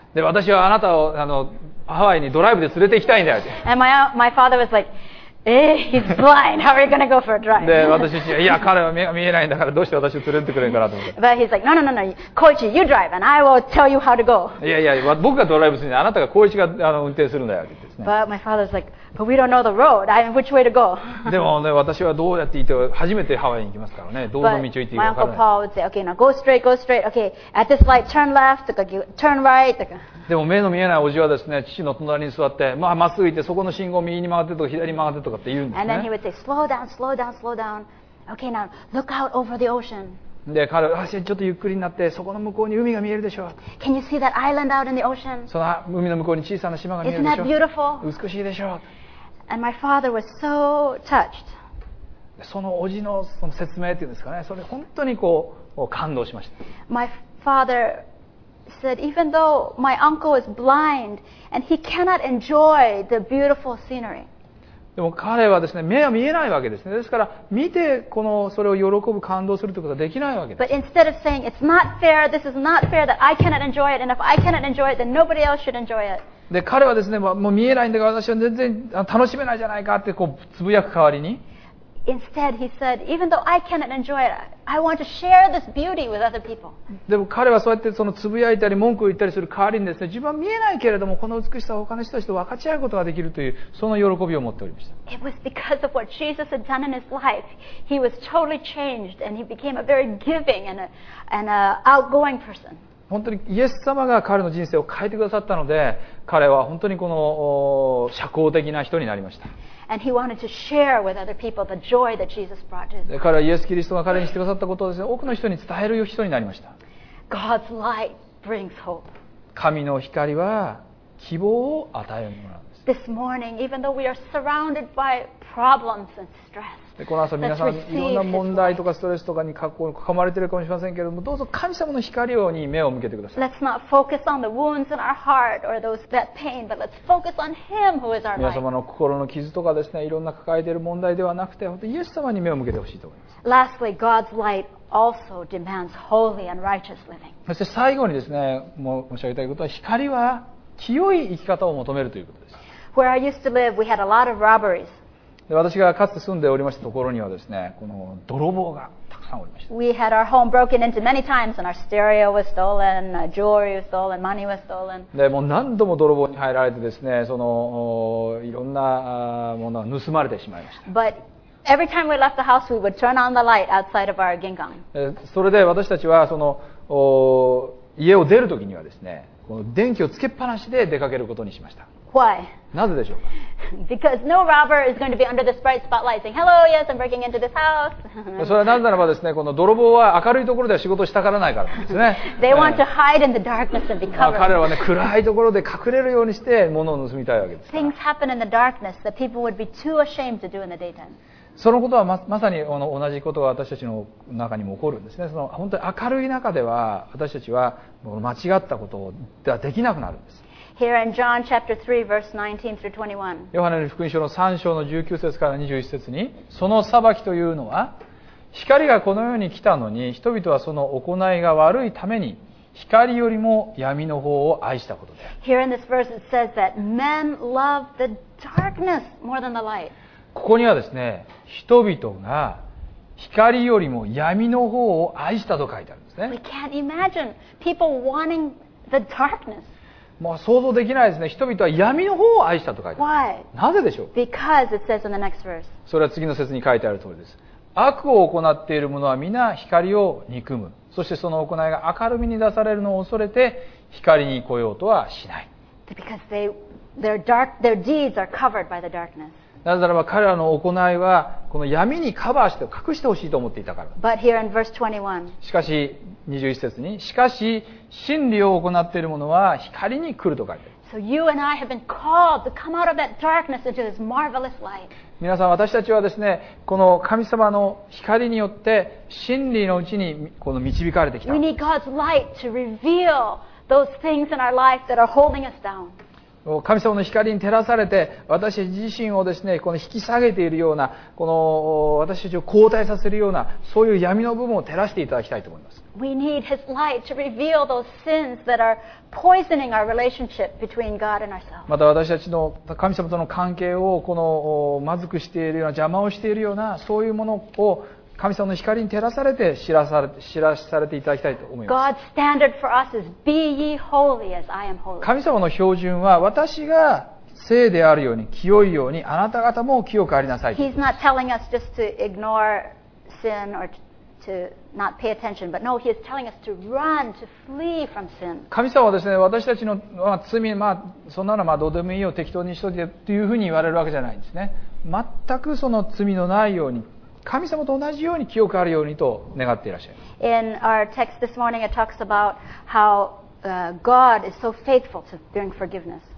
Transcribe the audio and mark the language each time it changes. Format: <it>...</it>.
<ja>で、私はあなたをハワイにドライブで連れて行きたいんだよって。</ja> <en>And my father was like,He's blind. How are you going to go for a drive?</en> <ja>で、私自身、いや、彼は見えないんだから、どうして私を連れてくれるんかなと思って。</ja> <en>But he's like, no, no, no, no. Koichi, you drive, and I will tell you how to go.</en> <ja>いやいや、僕がドライブするんで、あなたが Koichi が運転するんだよって言ってですね。</ja> <en>But my father's like, but we don't know the road. Which way to go?</en> <ja>でもね、私はどうやって行って、初めてハワイに行きますからね。どの道を行っていいか分からない。</ja> <en>But my uncle Paul would say, okay, now go straight, go straight. Okay, at this light, turn left,</en> <ja>とか、</ja> <en>turn right, とか。</en> <ja>でも目の見えないおじはですね、父の隣に座って、まあ、まっすぐ行って、そこの信号を右に曲がってとか、左に曲がってとかって言うんですね。</ja> <en>And then he would say, slow down, slow down, slow down. Okay, now look out over the ocean.</en> <ja>で、彼は、ちょっとゆっくりになって、そこの向こうに海が見えるでしょう。</ja> <en>Can you see that island out in the ocean?</en> <ja>その海の向こうに小さな島が見えるでしょう。</ja> <en>Isn't that beautiful?</en> <ja>美しいでしょう。</ja> <en>And my father was so touched.</en> <ja>そのおじの、その説明っていうんですかね、それ本当にこう、感動しました。</ja> <en>My father... said even though my uncle is blind and he cannot enjoy the beautiful scenery.</en> <ja>でも彼はですね、目は見えないわけですね。ですから見てこのそれを喜ぶ感動するということはできないわけです。</ja> <en>But instead of saying it's not fair, this is not fair that I cannot enjoy it, and if I cannot enjoy it, then nobody else should enjoy it.</en> <ja>で彼はですね、もう見えないんだから私は全然楽しめないじゃないかってこうつぶやく代わりに。</ja> <en>Instead, he said, even though I cannot enjoy it, I want to share this beauty with other people.</en> <ja>でも彼はそうやってそのつぶやいたり文句を言ったりする代わりにですね、自分は見えないけれどもこの美しさを他の人たちと分かち合うことができるというその喜びを持っておりました。</ja> <en>It was because of what Jesus had done in his life. He was totally changed and he became a very giving and a outgoing person.</en> <ja>本当にイエス様が彼の人生を変えてくださったので、彼は本当にこの社交的な人になりました。</ja> <en>And he wanted to share with other people the joy that Jesus brought to him.</en> <ja>彼はイエス・キリストが彼にしてくださったことをですね、多くの人に伝える人になりました。</ja> <en>God's light brings hope.</en> <ja>神の光は希望を与えるものなんです。</ja> <en>This morning, even though we are surrounded by problems and stress,</en> <ja>この朝皆さんいろんな問題とかストレスとかに囲まれているかもしれませんけれども、どうぞ神様の光に目を向けてください。</ja> <en>Let's not focus on the wounds in our heart or those that pain, but let's focus on Him who is our light.</en> <ja>皆様の心の傷とかですね、いろんな抱えている問題ではなくて、本当にイエス様に目を向けてほしいと思います。</ja> <en>Lastly, God's light also demands holy and righteous living.</en> <ja>そして最後にですね、申し上げたいことは、光は清い生き方を求めるということです。</ja> <en>Where I used to live, we had a lot of robberies.</en> <ja>私がかつて住んでおりましたところにはですね、この泥棒がたくさんおりました。</ja> <en>We had our home broken into many times, and our stereo was stolen, jewelry was stolen, money was stolen.</en> <ja>で、もう何度も泥棒に入られてですね、そのいろんなものを盗まれてしまいました。</ja> <en>But every time we left the house, we would turn on the light outside of our ginkan.</en> <ja>それで私たちはその家を出るときにはですね、この電気をつけっぱなしで出かけることにしました。</ja> <en>Why?</en> <ja>なぜでしょうか?</ja> <en>Because no robber is going to be under this bright spotlight saying, Hello, yes, I'm breaking into this house.</en> <ja>それはなぜならばですね、この泥棒は明るいところでは仕事したがらないからですね。</ja> <en>They want to hide in the darkness and be covered.</en> <ja>彼らはね、暗いところで隠れるようにして物を盗みたいわけです。</ja> <en>Things happen in the darkness that people would be too ashamed to do in the daytime.</en> <ja>そのことは まさに同じことが私たちの中にも起こるんですね。その本当に明るい中では私たちは間違ったことではできなくなるんです。</ja> <en>Here in John chapter 3, verse 19 through 21.</en> <ja>ヨハネの福音書の3章の19節から21節に、その裁きというのは、光がこの世に来たのに、人々はその行いが悪いために、光よりも闇の方を愛したことである。</ja> <en>Here in this verse it says that men love the darkness more than the light.</en> <ja>ここにはですね、人々が光よりも闇の方を愛したと書いてあるんですね。</ja> <en>We can't imagine people wanting the darkness.</en> <ja>もう想像できないですね。人々は闇の方を愛したと書いてある。</ja> <en>Why?</en> <ja>なぜでしょう?</ja> <en>Because it says in the next verse.</en> <ja>それは次の節に書いてある通りです。悪を行っている者は皆光を憎む。そしてその行いが明るみに出されるのを恐れて光に来ようとはしない。</ja> <en>Because their deeds are covered by the darkness.</en> <ja>なぜならば彼らの行いはこの闇にカバーして隠してほしいと思っていたから。</ja> <en>But here in verse 21.</en> <ja>しかし21節に、しかし真理を行っている者は光に来ると書いてある。</ja> <en>So you and I have been called to come out of that darkness into this marvelous light.</en> <ja>皆さん、私たちはですね、この神様の光によって真理のうちにこの導かれてきた。</ja> <en>We need God's light to reveal those things in our life that are holding us down.</en> <ja>神様の光に照らされて、私自身をですね、この引き下げているような、この私たちを後退させるようなそういう闇の部分を照らしていただきたいと思います。</ja> <en>We need His light to reveal those sins that are poisoning our relationship between God and ourselves.</en> <ja>また私たちの神様との関係をこのまずくしているような邪魔をしているようなそういうものを神様の光に照らされて知らされていただきたいと思います。</ja> <en>God's standard for us is be ye holy as I am holy.</en> <ja>神様の標準は私が聖であるように清いようにあなた方も清くありなさい。</ja> <en>He's not telling us just to ignore sin or to not pay attention, but no, He is telling us to run, to flee from sin.</en> <ja>神様はですね、私たちの、まあ、罪、まあ、そんなのまあどうでもいいよ、適当にしといてというふうに言われるわけじゃないんですね。全くその罪のないように、神様と同じように清くあるようにと願っていらっしゃいます。</ja> <en>In our text this morning, it talks about how God is so faithful to bring forgiveness.</en>